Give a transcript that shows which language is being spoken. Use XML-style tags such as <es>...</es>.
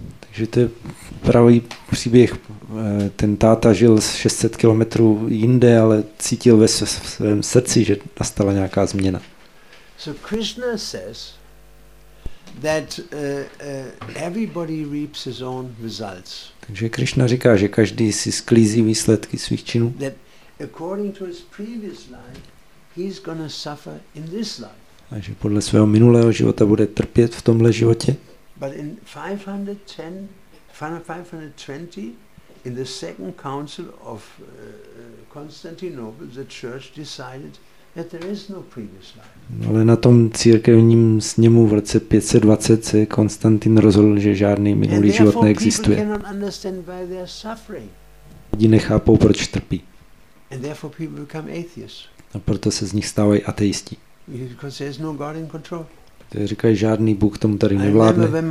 <cs>Takže to je pravý příběh. Ten táta žil 600 kilometrů jinde, ale cítil ve svém srdci, že nastala nějaká změna.</cs> <en>So Krishna says that everybody reaps his own results.</en> <cs>Takže Krishna říká, že každý si sklízí výsledky svých činů.</cs> <en>That according to his previous life, he's going to suffer in this life.</en> <cs>A že podle svého minulého života bude trpět v tomhle životě.</cs> <en>But in 520 in the second council of Constantinople the church decided that there is no previous life.</en> <cs>Ale na tom církevním sněmu v roce 520 se Konstantin rozhodl, že žádný minulý život neexistuje.</cs> <en>People cannot understand why they are suffering.</en> <cs>Lidi nechápou, proč trpí.</cs> <en>And therefore people become atheists.</en> <cs>A proto se z nich stávají ateisti.</cs> <en>Because there is no God in control.</en> <cs>Říkají, žádný Bůh tomu tady nevládne.</cs>